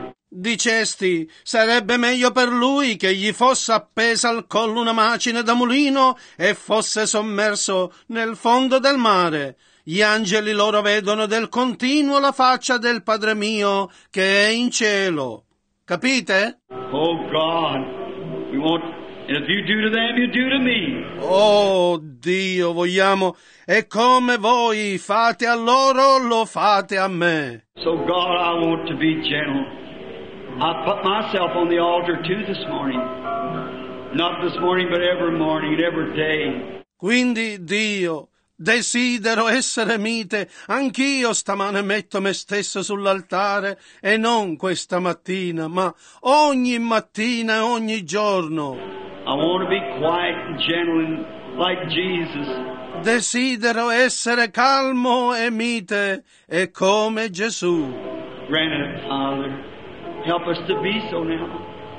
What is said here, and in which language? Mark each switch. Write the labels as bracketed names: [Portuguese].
[Italian] Dicesti, sarebbe meglio per lui che gli fosse appesa al collo una macina da mulino e fosse sommerso nel fondo del mare. Gli angeli loro vedono del continuo la faccia del Padre mio che è in cielo. Capite? [English] Oh God, we want, and if you do to them, you do to me. [Italian] Oh Dio, vogliamo, e come voi fate a loro, lo fate a me. [English] So God, I want to be gentle. I put myself on the altar too this morning. Not this morning, but every morning, every day. [Italian] Quindi Dio, desidero essere mite, anch'io stamane metto me stesso sull'altare, e non questa mattina, ma ogni mattina e ogni giorno. [English] I want to be quiet and gentle and like Jesus. [Italian] Desidero essere calmo e mite, e come Gesù. [English] Granted, Father, help us to be so now.